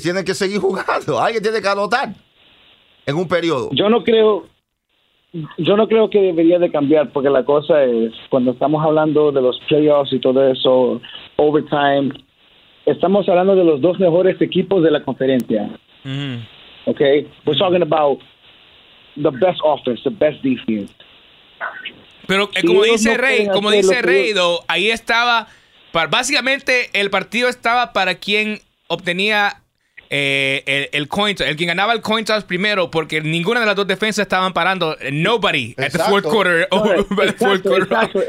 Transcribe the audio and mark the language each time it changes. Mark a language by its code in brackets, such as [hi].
[es] Tienen que seguir jugando. Alguien tiene que anotar en un periodo. Yo no creo que debería de cambiar, porque la cosa es, cuando estamos hablando de los playoffs y todo eso, overtime, estamos hablando de los dos mejores equipos de la conferencia. Mm-hmm. [en] Okay, we're talking about the best offense, the best defense. [es] Pero como dice Rey, como dice Rey, ahí estaba, básicamente el partido estaba para quien obtenía el coin toss, el quien ganaba el coin toss primero, porque ninguna de las dos defensas estaban parando, [en] nobody, [es] exacto, [en] at the fourth quarter.